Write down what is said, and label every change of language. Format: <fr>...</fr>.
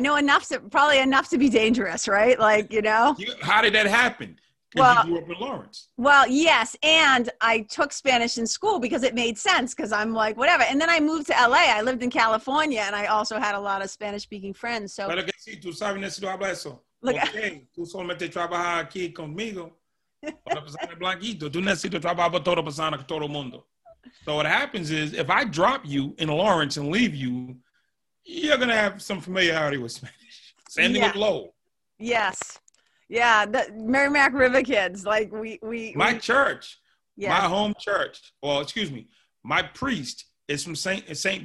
<en>I know enough to be dangerous, right? Like, you know. How did that happen? Well, you grew up in Lawrence. Well, yes. And I took Spanish in school because it made sense, because I'm like, whatever. And then I moved to LA. I lived in California and I also had a lot of Spanish speaking friends. So.</en> <es>Pero que si tú sabes necesito hablar eso.</es> <en>Look, okay.</en> <es>Tú solamente trabajas aquí conmigo. Para pasar el blanquito. Tú necesito trabajar para todo persona, todo mundo.</es> <en>So what happens is if I drop you in Lawrence and leave you, you're going to have some familiarity with Spanish. Same thing with Lowell. Yes. Yeah, the Merrimack River kids, like my church, yes. My home church, well, excuse me, my priest is from St.</en>